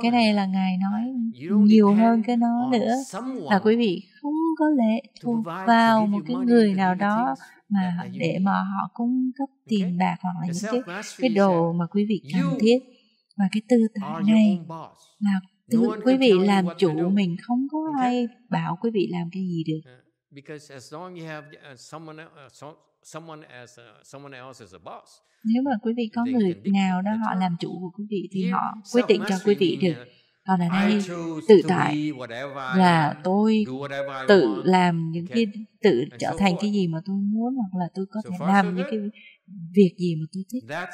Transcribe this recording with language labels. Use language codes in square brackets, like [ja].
[vi] Cái này là ngài nói nhiều hơn cái nó nữa, là quý vị không có lệ thuộc vào một cái người nào đó mà để mà họ cung cấp tiền bạc hoặc là những cái đồ mà quý vị cần thiết. Và cái tư tưởng này là quý vị làm chủ mình, không có ai bảo quý vị làm cái gì được. [en] Because as long you have someone as someone else as a boss. [vi] Nếu mà quý vị có người nào đó họ làm chủ của quý vị thì họ quyết định cho quý vị được. Còn ở đây tự tại là tôi tự làm những cái, tự trở thành cái gì mà tôi muốn, hoặc là tôi có thể làm những cái việc gì mà tôi thích.